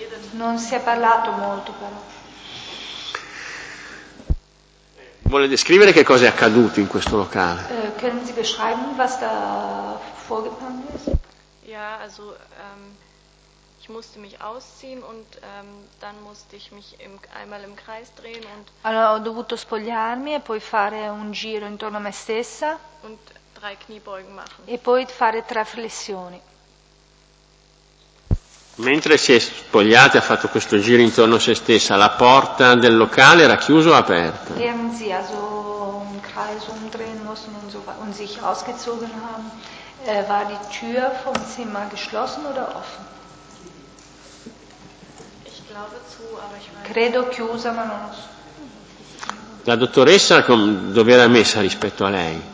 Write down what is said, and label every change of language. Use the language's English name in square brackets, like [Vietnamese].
[Italian] Non si è parlato molto però. Vuole descrivere che cosa è accaduto in questo locale? [German] Können Sie beschreiben, was da vorgegangen ist? Ja, also ich musste mich ausziehen und dann musste ich mich einmal im Kreis drehen und [Italian] allora ho dovuto spogliarmi e poi fare un giro intorno a me stessa [German] und drei Kniebeugen machen. [Italian] E poi fare tre flessioni. Mentre si è spogliata e ha fatto questo giro intorno a se stessa, la porta del locale era chiusa o aperta? [German] Während sie also im Kreis umdrehen mussten und, so, und sich ausgezogen haben, war die Tür vom Zimmer geschlossen oder offen? Ich glaube zu, aber ich weiß. [Italian] Credo chiusa, ma non lo so. La dottoressa dove era messa rispetto a lei?